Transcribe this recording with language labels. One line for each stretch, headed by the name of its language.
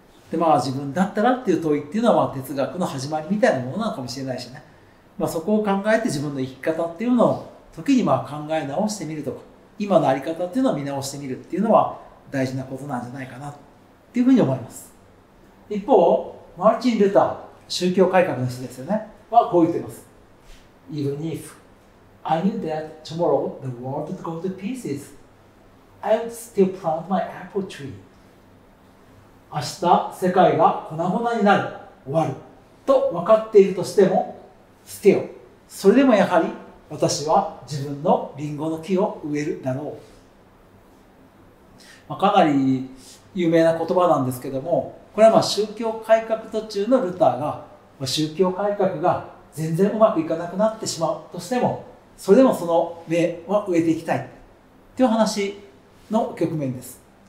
Japanese: でまあ、自分だったらっていう問いっていうのは哲学の始まりみたいなものなのかもしれないしね、まあ、そこを考えて自分の生き方っていうのを時にまあ考え直してみるとか今の在り方っていうのを見直してみるっていうのは大事なことなんじゃないかなっていうふうに思います。一方マルチン・ルター宗教改革の人ですよねはこう言っています。
English: Even if I knew that tomorrow the world would go to pieces I would still plant my apple tree。
Japanese: 明日世界が粉々になる、終わると分かっているとしても捨てよ、それでもやはり私は自分のリンゴの木を植えるだろう、まあ、かなり有名な言葉なんですけども、これはまあ宗教改革途中のルターが、まあ、宗教改革が全然うまくいかなくなってしまうとしてもそれでもその芽は植えていきたいという話の局面です。